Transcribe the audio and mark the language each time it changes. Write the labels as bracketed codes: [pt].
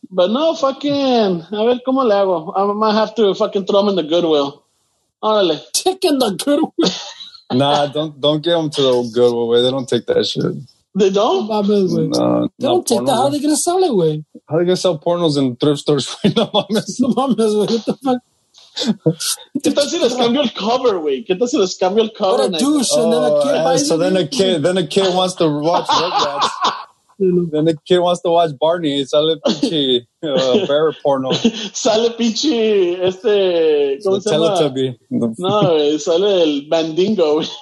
[en] But no, fucking. [es] A ver, ¿cómo le hago? [en] I might have to fucking throw him in the Goodwill. [es] Órale. [en] Take in the Goodwill. Nah, don't get them to the Goodwill, way. They don't take that shit. They don't? No, they don't take porno, that. Way. How are they going to sell it, way? How are they going to sell pornos in thrift stores? [es] No mames. No mames, way. [en] What the fuck? [es] ¿Qué tal si les cambio el cover, güey? ¿Qué tal si les cambio el cover? [en] What a douche, and then a kid buys so then a kid wants to watch Rugrats. Then the kid wants to watch Barney. [es] Sale pinche bear porno. Sale pinche este. ¿Cómo se llama? [en] Teletubby. [es] No, wey, sale el Mandingo.